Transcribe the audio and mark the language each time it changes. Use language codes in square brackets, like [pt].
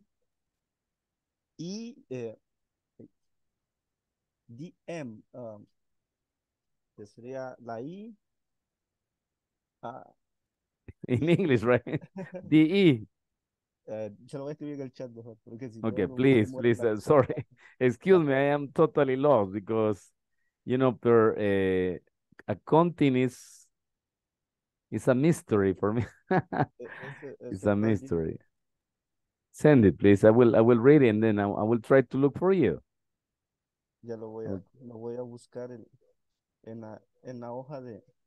[es] D, E, D, M, que sería la I. [en] In English, right? D, E. [es] Se lo voy a escribir en el chat mejor, porque si [en] okay, no, please, please, sorry. Excuse me, I am totally lost because, you know, per a continent is a mystery for me. It's a mystery. Send it, please. I will read it and then I will try to look for you. [es] Ya lo voy a buscar en la hoja de...